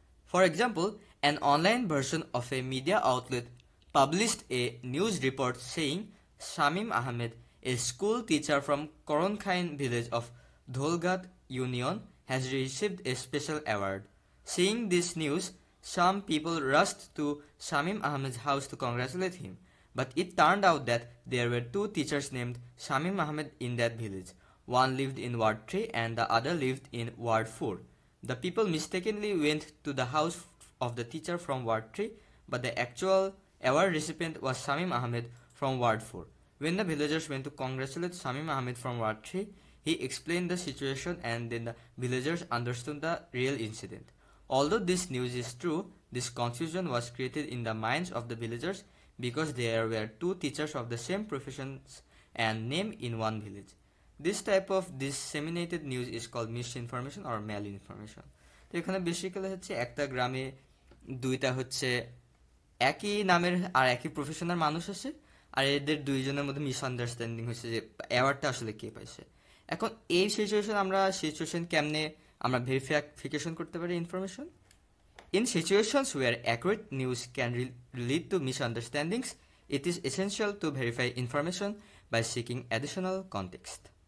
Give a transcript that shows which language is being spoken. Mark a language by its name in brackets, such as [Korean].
[English] For example, an online version of a media outlet published a news report saying Shamim Ahmed, a school teacher from Karankhain village of Dholghat union, has received a special award. Saying this news, some people rushed to Shamim Ahmed house to congratulate him. But it turned out that there were 2 teachers named Shamim Ahmed in that village. One lived in Ward 3 and the other lived in Ward 4. The people mistakenly went to the house of the teacher from Ward 3, but the actual award recipient was Shamim Ahmed from Ward 4. When the villagers went to congratulate Shamim Ahmed from Ward 3, he explained the situation and then the villagers understood the real incident. Although this news is true, this confusion was created in the minds of the villagers because there were 2 teachers of the same profession and name in one village. This type of disseminated news is called misinformation or malinformation. [Bangla] তো এখানে basically হচ্ছে একটা গ্রামে দুইটা হচ্ছে একই নামের আর একই প্রফেশনের মানুষ আছে, আর এদের দুইজনের মধ্যে মিসআন্ডারস্ট্যান্ডিং হচ্ছে যে অ্যাওয়ার্ডটা আসলে কে পাইছে। এখন এই সিচুয়েশন আমরা সিচুয়েশন কেমনে আমরা ভেরিফিকেশন করতে পারি information. [English] In situations where accurate news can lead to misunderstandings, it is essential to verify information by seeking additional context.